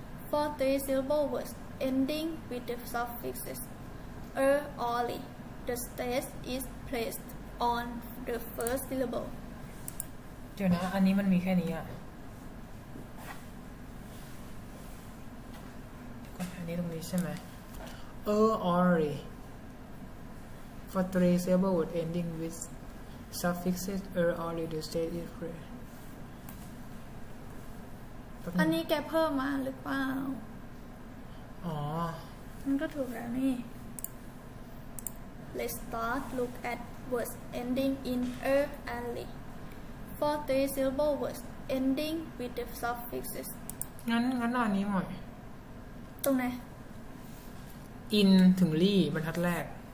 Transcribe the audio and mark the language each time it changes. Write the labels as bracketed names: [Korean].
[English] For three syllable words ending with the suffixes er or li, the stress is placed on the first syllable. [Thai] เดี๋ยวนะอันนี้มันมีแค่นี้อ่ะอันนี้ตรงนี้ใช่ไหม [English] er or liFor three syllable word ending with suffixes er or li, the stress is placed. [Thai] อันนี้แกเพิ่มมาหรือเปล่า อ๋อ มันก็ถูกแล้วนี่ [English] Let's start look at words ending in er and li. For three syllable words ending with the suffixes. [Thai] งั้นอันนี้หน่อย ตรงไหน in ถึง li บรรทัดแรก